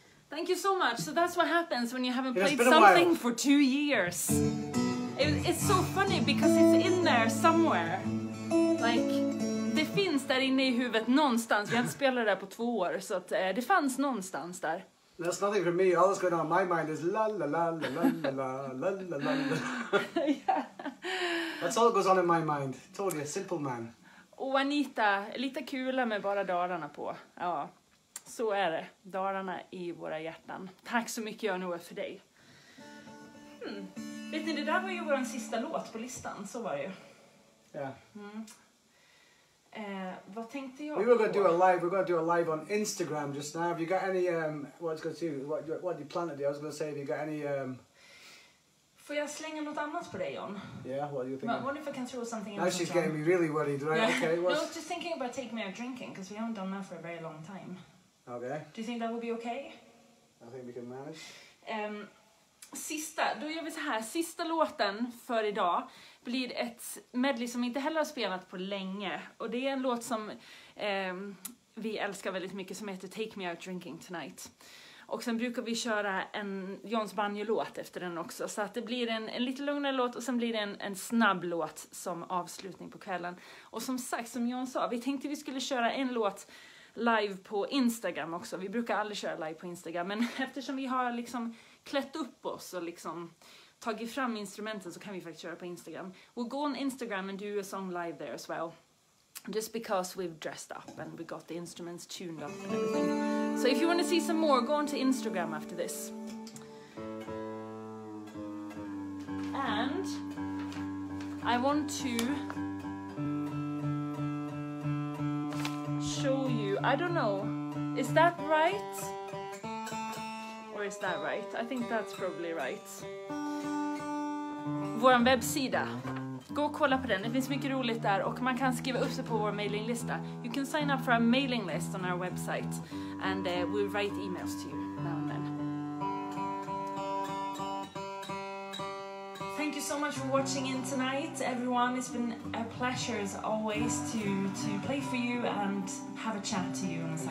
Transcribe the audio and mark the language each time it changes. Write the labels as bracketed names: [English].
[English] that's what happens when you haven't played something for 2 years. It's so funny because it's in there somewhere. [Swedish] Like, det finns där inne i huvudet någonstans. Vi har inte spelat där på 2 år, så att, det fanns någonstans där. [English] That's nothing for me. All that's going on in my mind is la la la la la la la la la la. Yeah. That's all that goes on in my mind. Totally a simple man. [Swedish] Och Anita, lite kula med bara dalarna på. Ja, så är det. Dalarna i våra hjärtan. Tack så mycket, Jan-Ove, för dig. Hmm. Vet ni, det där var ju vår sista låt på listan. Så var det ju. [English] Yeah. [Swedish] What tänkte jag? [English] We were gonna do a live. We're gonna do a live on Instagram just now. Have you got any? What do you plan to do? I was gonna say, have you got any? [Swedish] Får jag slänga något annat på dig, John? [English] Yeah. What do you think? What if I can throw something? Now she's getting me really worried, right? Yeah. Okay. What's... No, I was just thinking about taking me out drinking because we haven't done that for a very long time. Okay. Do you think that would be okay? I think we can manage. [Swedish] Sista. Då gör vi så här. Sista låten för idag blir ett medley som vi inte heller har spelat på länge. Och det är en låt som vi älskar väldigt mycket som heter Take Me Out Drinking Tonight. Och sen brukar vi köra en Jons Banjo-låt efter den också. Så att det blir en lite lugnare låt och sen blir det en snabb låt som avslutning på kvällen. Och som sagt, som Jon sa, vi tänkte vi skulle köra en låt live på Instagram också. Vi brukar aldrig köra live på Instagram, men eftersom vi har liksom klätt upp oss och liksom tagit fram instrumenten så kan vi faktiskt köra på Instagram. [English] We'll go on Instagram and do a song live there as well. Just because we've dressed up and we got the instruments tuned up and everything. So if you want to see some more, go on to Instagram after this. And I want to show you, I don't know, is that right? Is that right? I think that's probably right. [Swedish] Vår webbsida. Gå och kolla på den. Det finns mycket roligt där. Och man kan skriva upp sig på vår mailinglista. [English] You can sign up for a mailing list on our website. And we'll write emails to you now and then. Thank you so much for watching in tonight, everyone. It's been a pleasure as always to play for you and have a chat to you.